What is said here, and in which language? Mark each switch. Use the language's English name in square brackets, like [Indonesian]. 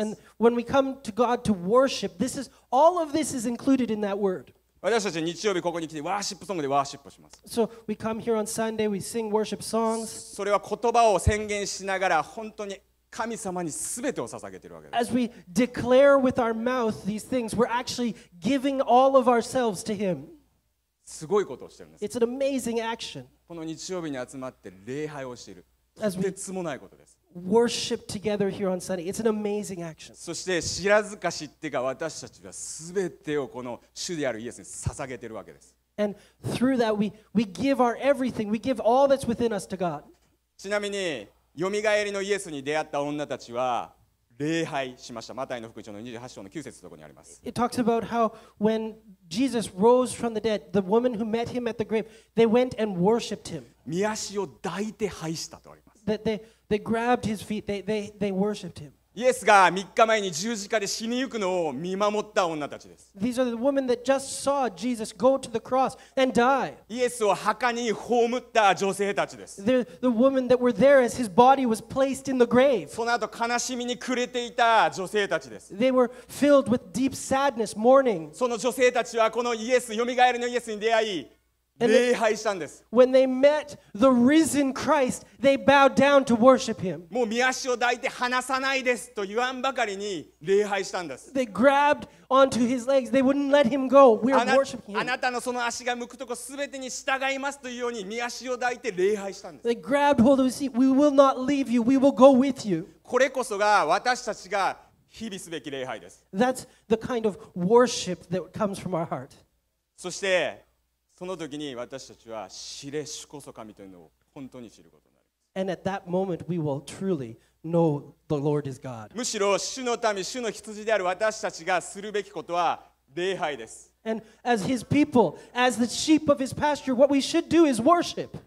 [English] And when we come to God to worship, this is all of this is included in that word. [Japanese] 私たち日曜日ここに来てワーシップソングでワーシップします。 [English] So we come here on Sunday, we sing worship songs. [Japanese] それは言葉を宣言しながら本当に神様にすべてを捧げているわけです。 [English] As we declare with our mouth these things, we're actually giving all of ourselves to Him. [Japanese] すごいことをしているんです。 [English] It's an amazing action. [Japanese] この日曜日に集まって礼拝をしている。とてつもないことです。 [English] Worship together here on Sunday. It's an amazing action. [Japanese] そして知らずか知ってか私たちはすべてをこの主であるイエスに捧げているわけです。 [English] And through that we give our everything. We give all that's within us to God. [Japanese] ちなみに蘇りのイエスに出会った女たちは礼拝しました。マタイの福音書の28章の9節のところにあります。 [English] It talks about how when Jesus rose from the dead, the woman who met him at the grave, they went and worshipped him. [Japanese] 御足を抱いて拝したとあります。 [English] That they grabbed his feet. They worshipped him. [Japanese] イエスが3日前に十字架で死にゆくのを見守った女たちです。 [English] These are the women that just saw Jesus go to the cross and die. [Japanese] イエスを墓に葬った女性たちです。 [English] They're the women that were there as his body was placed in the grave. [Japanese] その後悲しみに暮れていた女性たちです。 [English] They were filled with deep sadness, mourning. [Japanese] その女性たちはこのイエス、蘇りのイエスに出会い、礼拝したんです。 [English] When they met the risen Christ, they bowed down to worship him. [Japanese] もう御足を抱いて離さないですと言わんばかりに礼拝したんです。 [English] They grabbed onto his legs. They wouldn't let him go. We're worshiping him. [Japanese] あなたのその足が向くとこすべてに従いますというように御足を抱いて礼拝したんです。 [English] They grabbed hold of his feet. We will not leave you. We will go with you. [Japanese] これこそが私たちが日々すべき礼拝です。 [English] That's the kind of worship that comes from our heart. [Japanese] そしてその時に私たちは知れ主こそ神というのを本当に知ることになります。 [English] And at that moment we will truly know the Lord is God. [Japanese] むしろ主の民、主の羊である私たちがするべきことは礼拝です。 [English] And as his people, as the sheep of his pasture, what we should do is worship.